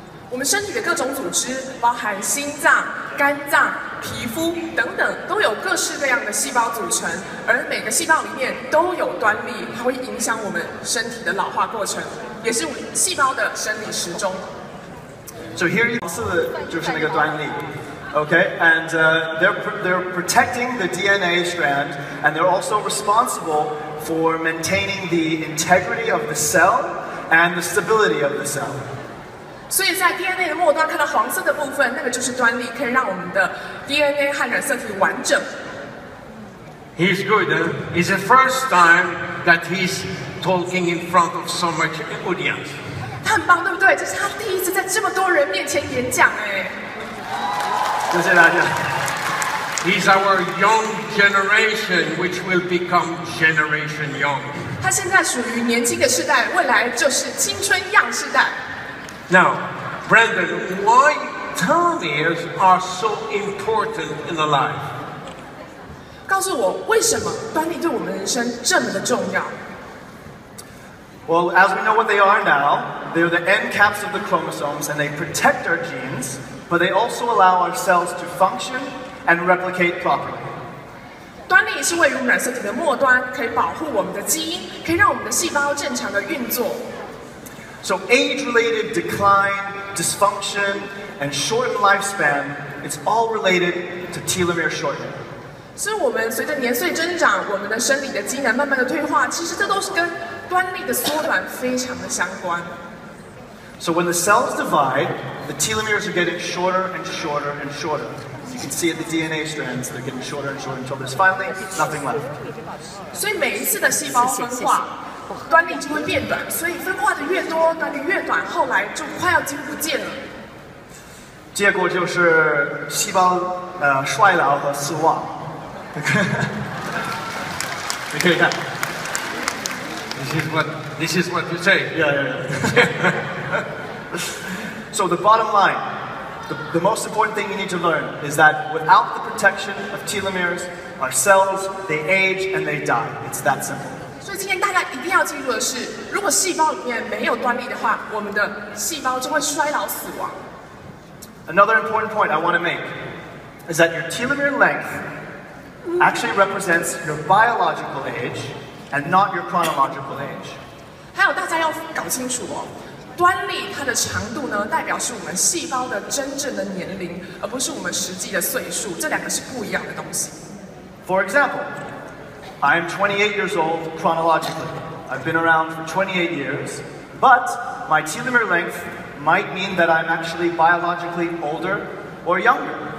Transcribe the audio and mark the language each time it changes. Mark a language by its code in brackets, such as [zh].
[zh] 我们身体的各种组织，包含心脏、肝脏。皮肤等等都有各式各样的细胞组成，而每个细胞里面都有端粒，它会影响我们身体的老化过程，也是细胞的生理时钟。 [en] So here you see [zh] 就是那个端粒 [en] ，Okay, and they're protecting the DNA strand, and they're also responsible for maintaining the integrity of the cell and the stability of the cell. [zh] 所以在 DNA 的末端看到黄色的部分，那个就是端粒，可以让我们的DNA 和染色体完整。 [en] He's good, huh? It's the first time that he's talking in front of so much audience. [zh] 他很棒，对不对？这是他第一次在这么多人面前演讲，哎。谢谢大家。 [en] He's our young generation, which will become Generation Young. [zh] 他现在属于年轻的世代，未来就是青春young世代。 [en] Now, Brandon, why? Telomeres are so important in the life. [zh] 告诉我为什么端粒对我们人生这么的重要？ [en] Well, Well, as we know what they are now, they're the end caps of the chromosomes and they protect our genes, but they also allow our cells to function and replicate properly. [zh] 端粒是位于染色体的末端，可以保护我们的基因，可以让我们的细胞正常的运作。 [en] So age-related decline, dysfunction, and shortened lifespan, it's all related to telomere shortening. [zh] 所以我们随着年岁增长，我们的生理的机能慢慢的退化，其实这都是跟端粒的缩短非常的相关。 [en] So when the cells divide, the telomeres are getting shorter and shorter and shorter. You can see at the DNA strands, they're getting shorter and shorter until there's finally nothing left. [zh] 所以每一次的细胞分化，端粒就会变短，所以分化的越多，端粒越短，后来就快要几乎不见了。结果就是细胞衰老和死亡。你可以看。 [en] This is what you say. Yeah. So the bottom line, the most important thing you need to learn is that without the protection of telomeres, our cells, they age and they die. It's that simple. [zh] 所以今天大家一定要记住的是，如果细胞里面没有端粒的话，我们的细胞就会衰老死亡。 [en] Another important point I want to make is that your telomere length actually represents your biological age and not your chronological age. [zh] 还有大家要搞清楚哦，端粒它的长度呢，代表是我们细胞的真正的年龄，而不是我们实际的岁数，这两个是不一样的东西。 [en] For example, I am 28 years old chronologically. I've been around for 28 years, but my telomere length might mean that I'm actually biologically older or younger.